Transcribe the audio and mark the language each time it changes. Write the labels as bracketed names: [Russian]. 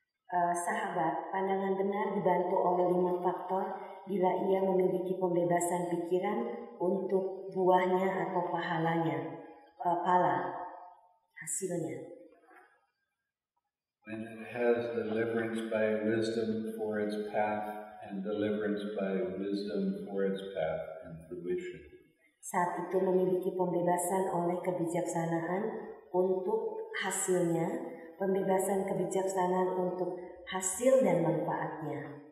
[Indonesian] Sahabat, pandangan benar dibantu oleh lima faktor bila ia memiliki pembebasan pikiran untuk buahnya atau pahalanya, pala, hasilnya. [English] When it has deliverance by wisdom for its path and deliverance by wisdom for its path and fruition. [Indonesian] Saat itu memiliki pembebasan oleh kebijaksanaan untuk hasilnya, pembebasan kebijaksanaan untuk hasil dan manfaatnya.